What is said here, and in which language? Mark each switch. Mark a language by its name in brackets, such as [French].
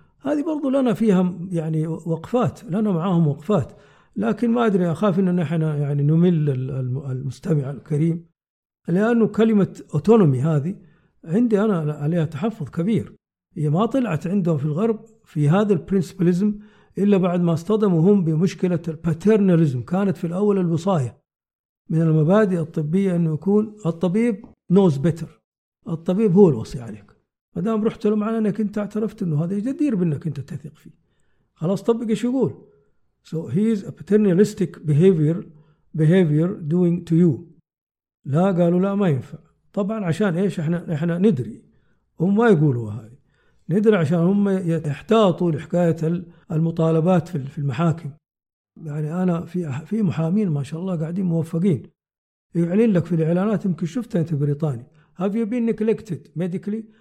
[Arabic] هذه برضو لنا فيها يعني وقفات، لنا معاهم وقفات، لكن ما أدري، أخاف أننا نحن يعني نمل المستمع الكريم، لأنه كلمة أوتونومي هذه عندي أنا عليها تحفظ كبير، هي ما طلعت عندهم في الغرب في هذا البرينسبلزم إلا بعد ما اصطدموا هم بمشكلة الباترناليزم. كانت في الأول الوصاية من المبادئ الطبية أن يكون الطبيب [English] knows better، [Arabic] الطبيب هو الوصي عليك، مدام رحت له معنا أنك أنت اعترفت أنه هذا جدير بأنك أنت تثق فيه، خلاص طبق إيش يقول. [English] So he's a paternalistic behavior doing to you. [Arabic] لا، قالوا لا ما ينفع. طبعا عشان إيش؟ إحنا ندري هم ما يقولوا هاي، ندري عشان هم يحتاطوا لحكاية المطالبات في المحاكم. يعني أنا في محامين ما شاء الله قاعدين موفقين، يعلن لك في الإعلانات، يمكن شفتها أنت بريطاني، [English] Have you been neglected medically?